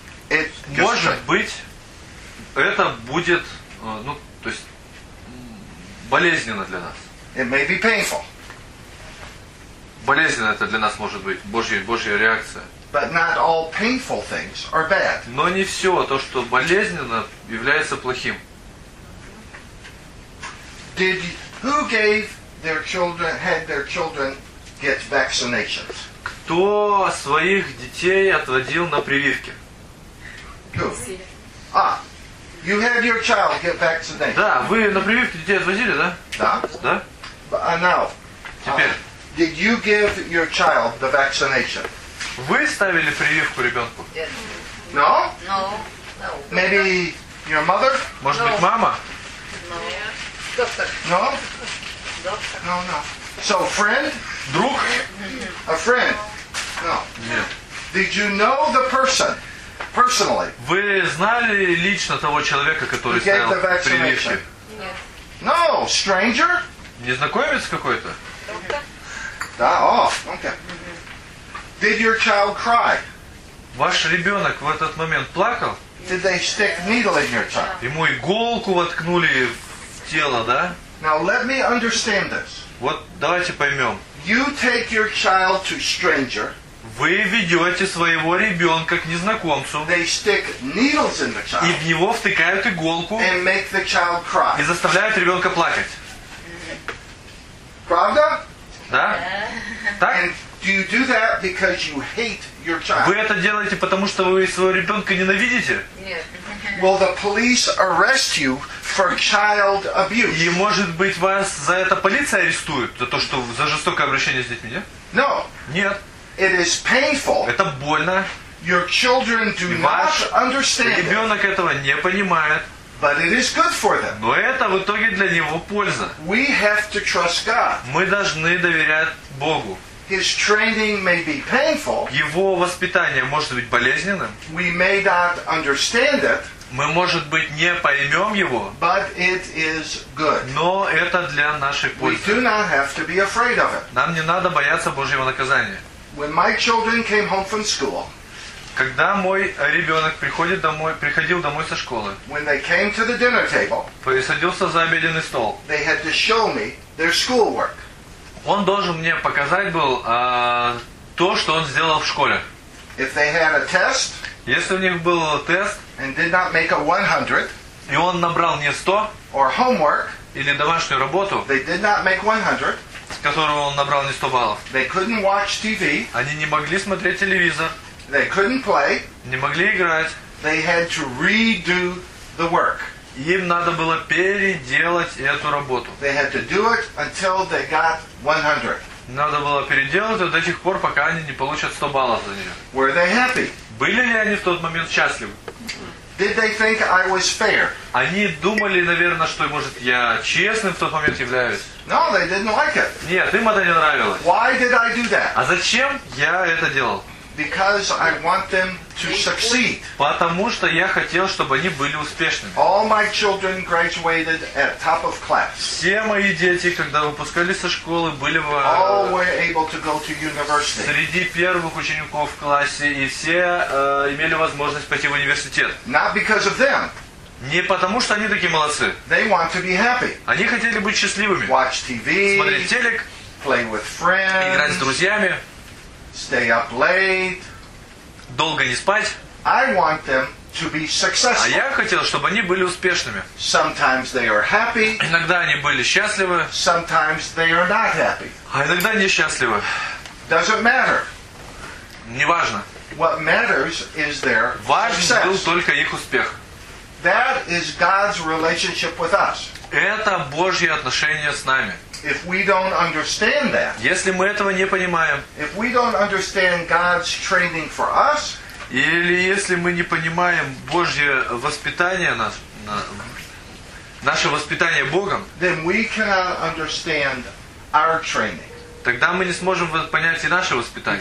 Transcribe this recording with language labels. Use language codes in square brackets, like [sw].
[en] It [ru] может быть, это будет, ну, то есть, болезненно для нас. [en] It may be painful. [ru] Болезненно это для нас может быть, Божья реакция. [en] But not all painful things are bad. [ru] Но не все то, что болезненно, является плохим. [en] Did who gave their children, had their children get vaccinations? [ru] Кто своих детей отводил на прививки? [en] Who? Ah, you had your child get vaccinated. [ru] Да, вы на прививки детей отвозили, да? Да. Да. [en] Now. [ru] Теперь. [en] Did you give your child the vaccination? [ru] Вы ставили прививку ребенку? Нет. [en] No? No. Maybe your mother? [ru] Может быть, мама? [en] No. No? Doctor. No, no. So, friend? [ru] Друг? [en] A friend? No. [ru] Нет. [en] Did you know the person personally? [ru] Вы знали лично того человека, который ставил прививки? Нет. [en] No, stranger? [ru] Незнакомец какой-то? Да, о, окей. [en] Did your child cry? [ru] Ваш ребенок в этот момент плакал? [en] Did they stick needle in your child? [ru] Ему иголку воткнули в тело, да? [en] Now let me understand this. [ru] Вот давайте поймем. [en] You take your child to stranger. [ru] Вы ведете своего ребенка к незнакомцу. [en] They stick needles in the child. [ru] И в него втыкают иголку. [en] And make the child cry. [ru] И заставляют ребенка плакать. Правда? Да. Так? [en] Do you do that because you hate your child? [ru] Вы это делаете потому что вы своего ребенка ненавидите? Нет. [en] Will the police arrest you for child abuse? [ru] И может быть вас за это полиция арестует за то, что за жестокое обращение с детьми? Нет? [en] No. [ru] Нет. [en] It is painful. [ru] Это больно. [en] Your children do not understand. [ru] Ребенок этого не понимает. [en] But it is good for them. [ru] Но это в итоге для него польза. [en] We have to trust God. [ru] Мы должны доверять Богу. [en] His training may be painful. [ru] Его воспитание может быть болезненным. [en] We may not understand it. [ru] Мы, может быть, не поймем его. [en] But it is good. [ru] Но это для нашей пользы. [en] We do not have to be afraid of it. [ru] Нам не надо бояться Божьего наказания. [en] When my children came home from school. [ru] Когда мой ребенок приходит домой, приходил домой со школы. [en] When they came to the dinner table. [ru] Посадился за обеденный стол. [en] They had to show me their schoolwork. [ru] Он должен мне показать был то, что он сделал в школе. [en] If they had a test, [ru] если у них был тест, [en] and did not make a 100, [ru] и он набрал не 100, [en] or homework, [ru] или домашнюю работу, [en] they did not make 100, [ru] с которого он набрал не 100 баллов, [en] they couldn't watch TV, [ru] они не могли смотреть телевизор, [en] they couldn't play, [ru] не могли играть, [en] they had to redo the work. [ru] Им надо было переделать эту работу. [en] They had to do it until they got 100. [ru] Надо было переделать до тех пор, пока они не получат 100 баллов за нее. [en] Were they happy? [ru] Были ли они в тот момент счастливы? [en] Did they think I was fair? [ru] Они думали, наверное, что, может, я честным в тот момент являюсь. [en] No, they didn't like it. [ru] Нет, им это не нравилось. [en] Why did I do that? [ru] А зачем я это делал? [en] Because I want them to succeed. [ru] Потому что я хотел, чтобы они были успешными. [en] All my children graduated at top of class. [ru] Все мои дети, когда выпускались со школы, были в [en] All were able to go to university. [ru] Среди первых учеников в классе, и все имели возможность пойти в университет. [en] Not because of them. [ru] Не потому что они такие молодцы. [en] They want to be happy. [ru] Они хотели быть счастливыми. [en] Watch TV. [ru] Смотреть телек. [en] Play with friends. [ru] Играть с друзьями. [en] Stay up late. [ru] Долго не спать. [en] I want them to be successful. [ru] А я хотел, чтобы они были успешными. [en] Sometimes they are happy. [ru] Иногда они были счастливы. [en] Sometimes they are not happy. [ru] А иногда несчастливы. [en] Doesn't matter. [ru] Неважно. [en] What matters is their success. [ru] Важен был только их успех. [en] That is God's relationship with us. [ru] Это Божье отношение с нами. [en] If we don't understand that, [ru] если мы этого не понимаем, [en] if we don't understand God's training for us, [ru] или если мы не понимаем Божье воспитание нас, наше воспитание Богом, [en] then we cannot understand our training. [ru] Тогда мы не сможем понять и наше воспитание.